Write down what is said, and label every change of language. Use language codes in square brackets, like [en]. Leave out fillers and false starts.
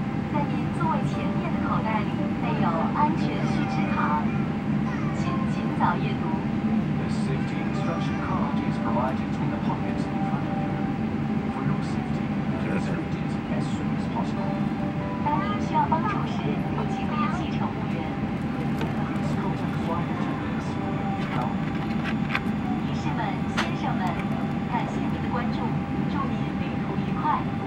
[zh] 在您座位前面的口袋里备有安全须知卡，请尽早阅读。 [en] The safety instruction card is provided in the pocket in front of you. For your safety, please read it as soon as possible. [zh] 当您需要帮助时，请联系乘务员。 [en] Please contact flight attendants for help. [zh] 女士们、先生们，感谢您的关注，祝您旅途愉快。